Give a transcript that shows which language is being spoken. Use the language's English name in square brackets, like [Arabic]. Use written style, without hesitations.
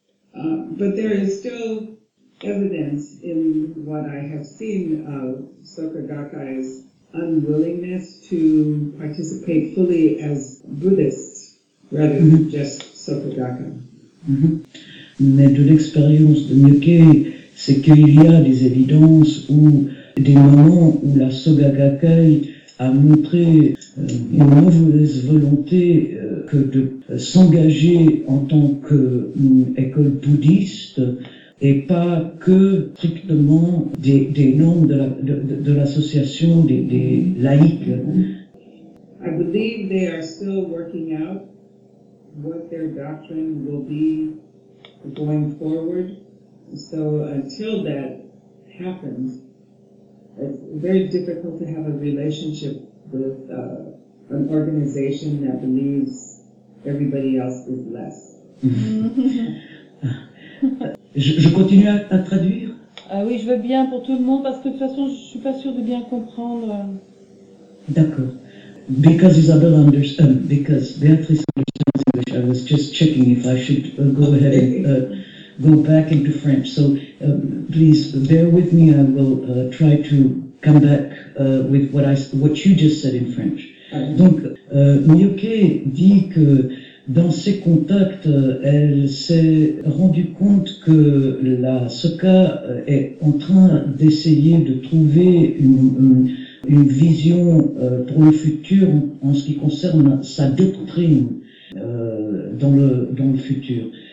[English] But there is still evidence in what I have seen of Sokagakai's unwillingness to participate fully as Buddhists rather than just Sokagakai. [French] Mais de l'expérience de Myoke, c'est qu'il y a des évidences ou des moments où la Sokagakai a montré une mauvaise volonté que de s'engager en tant qu'école bouddhiste et pas que strictement des membres de l'association des laïcs. [English] I believe they are still working out what their doctrine will be going forward. So until that happens, it's very difficult to have a relationship with an organization that believes everybody else is less. [French] je continue à traduire. Oui, je veux bien pour tout le monde parce que de toute façon, je suis pas sûre de bien comprendre. D'accord. [English] Because Isabel understands, because Beatrice understands English, I was just checking if I should go ahead and go back into French. So please bear with me. I will try to come back with what you just said in French. [French] Donc, Mioke dit que dans ses contacts, elle s'est rendue compte que la SOCA est en train d'essayer de trouver une vision pour le futur en ce qui concerne sa doctrine dans le futur.